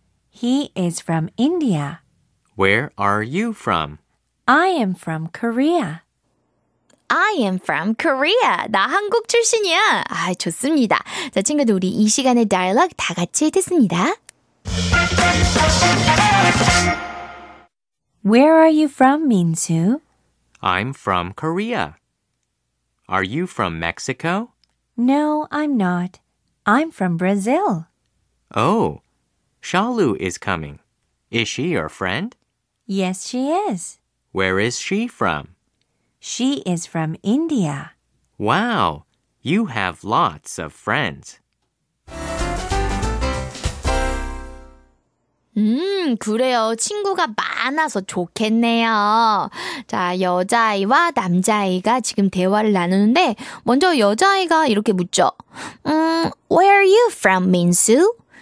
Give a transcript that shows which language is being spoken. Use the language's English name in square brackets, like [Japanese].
[English] He is from India. Where are you from? I am from Korea. I am from Korea. [Korean] 나 한국 출신이야. 좋습니다. 자, 친구들 우리 이 시간의 dialogue 다 같이 듣습니다. [English] Where are you from, Minsu? I'm from Korea. Are you from Mexico? No, I'm not. I'm from Brazil. Oh, Shalu is coming. Is she your friend? Yes, she is. Where is she from? She is from India. Wow, you have lots of friends. [Korean] 그래요. 친구가 많아서 좋겠네요. 자, 여자아이와 남자아이가 지금 대화를 나누는데 먼저 여자아이가 이렇게 묻죠. [English] Where are you from, 민수?